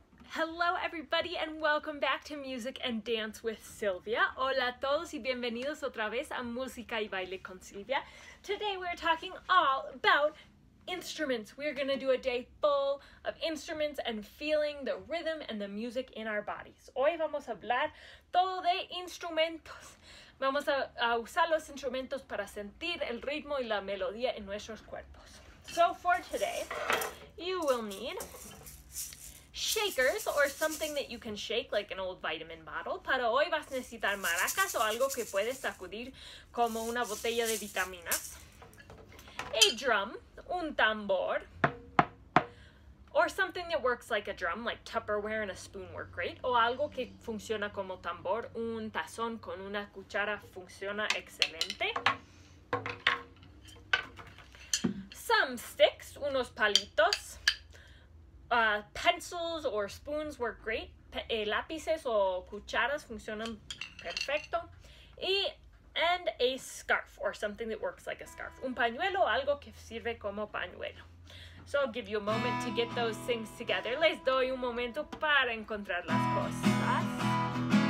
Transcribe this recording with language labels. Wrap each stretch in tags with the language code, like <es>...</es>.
<en>Hello everybody and welcome back to Music and Dance with Silvia.</en> <es>Hola a todos y bienvenidos otra vez a Música y Baile con Silvia.</es> <en>Today we're talking all about instruments. We're going to do a day full of instruments and feeling the rhythm and the music in our bodies.</en> <es>Hoy vamos a hablar todo de instrumentos. Vamos a usar los instrumentos para sentir el ritmo y la melodía en nuestros cuerpos.</es> <en>So for today, you will need shakers or something that you can shake, like an old vitamin bottle.</en> <es>Para hoy vas a necesitar maracas o algo que puedes sacudir como una botella de vitaminas.</es> <en>A drum,</en> <es>un tambor,</es> <en>or something that works like a drum, like Tupperware and a spoon work great.</en> <es>O algo que funciona como tambor, un tazón con una cuchara funciona excelente.</es> <en>Some sticks,</en> <es>unos palitos.</es> <en>Pencils or spoons work great.</en> <es>Lápices o cucharas funcionan perfecto.</es> <en>And a scarf or something that works like a scarf.</en> <es>Un pañuelo, algo que sirve como pañuelo.</es> <en>So I'll give you a moment to get those things together.</en> <es>Les doy un momento para encontrar las cosas.</es>